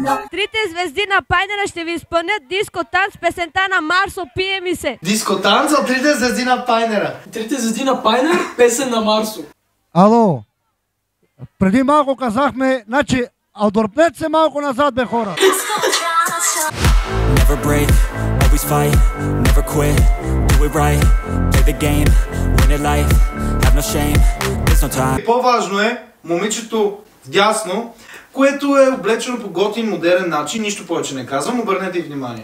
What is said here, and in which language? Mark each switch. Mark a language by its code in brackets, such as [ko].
[bg] Трите звезди на Пайнера ще ви изпълнят диско танц песента на Марсо, пие ми се! Диско танц, а трите звезди на Пайнера? Трите звезди на Пайнера, песен на Марсо. Ало, преди малко казахме, значи, адорпнете се малко назад, бе хора! [en] Never break, always fight, never quit, do it right, play the game, win it life, have no shame, there's no time. [bg] По-важно е момичето вдясно, което е облечено по готин модерен начин, нищо повече не казвам, обърнете внимание.